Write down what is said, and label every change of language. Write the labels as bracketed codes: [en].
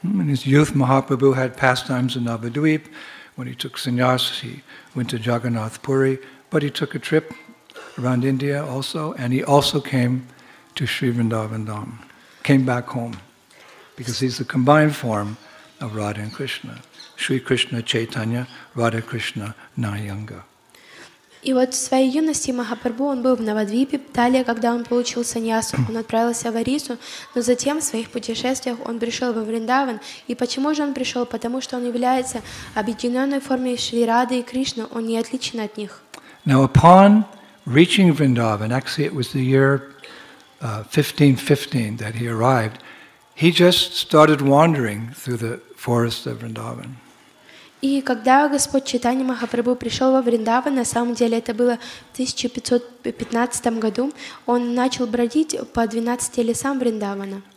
[en] In his youth, Mahaprabhu had pastimes in Navadvip. When he took sannyas, he went to Jagannath Puri. But he took a trip around India also, and he also came to Sri Vrindavan Dham. Came back home, because he's the combined form of Radha and Krishna. Shri Krishna Chaitanya, Radha Krishna Nayanga. [ru] И вот в своей юности Махапрабху он был в Навадвипе, далее, когда он получил саньясу, он отправился в Орису, но затем в своих путешествиях он пришел во Вриндаван. И почему же он пришел? Потому что он является объединенной формой Шри Рады и Кришны, он не отличен от них. [en] Now upon reaching Vrindavan, actually it was the year 1515 that he arrived, he just started wandering through the forest of Vrindavan. [ru] И когда Господь Чайтанья Махапрабху пришел во Вриндаван, на самом деле это было в 1515 году, он начал бродить по 12 лесам Вриндавана.